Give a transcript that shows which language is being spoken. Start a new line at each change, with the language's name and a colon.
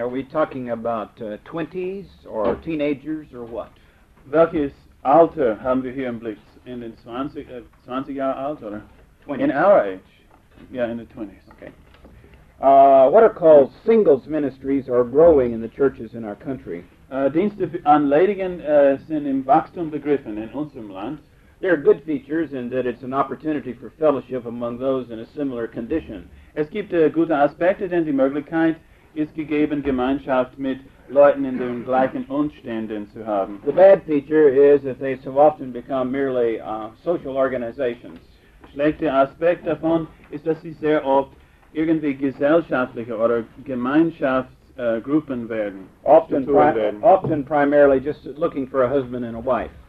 English: Are we talking about 20s or teenagers or what?
German: Welches Alter haben wir hier im Blick? In den 20 Jahre alt oder? 20.
English: In our age. Yeah, in the 20s. Okay. What are called singles ministries are growing in the churches in our country?
German: Dienste an Ledigen sind im Wachstum begriffen in unserem Land.
English: There are good features in that it's an opportunity for fellowship among those in a similar condition.
German: Es gibt gute Aspekte, denn die Möglichkeit ist gegeben, Gemeinschaft mit Leuten in den gleichen Umständen zu haben.
English: The bad feature is that they so often become merely social organizations.
German: Schlechter Aspekt davon ist, dass sie sehr oft irgendwie gesellschaftliche oder Gemeinschaftsgruppen werden.
English: Often primarily just looking for a husband and a wife.